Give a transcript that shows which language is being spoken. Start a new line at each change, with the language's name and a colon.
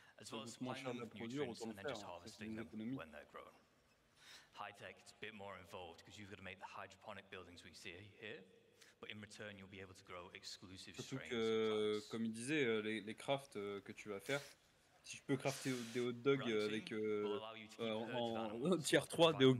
French: C'est moins cher de la produire, autant le faire, c'est une économie.
English: High tech, it's a bit more involved, because you've got to make the hydroponic buildings we see here. But in return, you'll be able to grow exclusive strains.
French: Surtout que, comme il disait, les crafts que tu vas faire, si je peux crafter des hot dogs avec en tier 3,